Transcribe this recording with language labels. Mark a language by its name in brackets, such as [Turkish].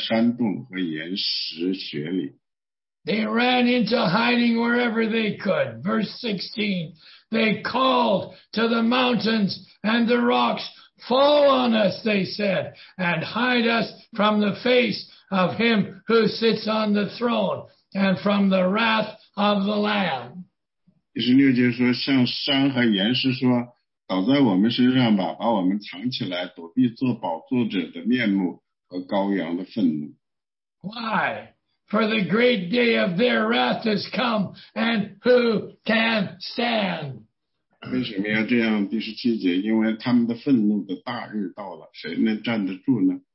[Chinese] 第十五节说，地上的君王、臣宰、将军、富户、战士和一切为奴的，自主的都藏在山洞和岩石穴里。 [English] They ran into hiding wherever they could. Verse 16. They called to the mountains and the rocks, fall on us, they said, and hide us from the face of him who sits on the throne and from the wrath of the Lamb. [Chinese] 第十六节说，向山和岩石说，倒在我们身上吧，把我们藏起来，躲避做宝座者的面目和羔羊的愤怒。 [English] Why? For the great day of their wrath has come, and who can stand? [Chinese] 为什么要这样？第十七节，因为他们的愤怒的大日到了，谁能站得住呢？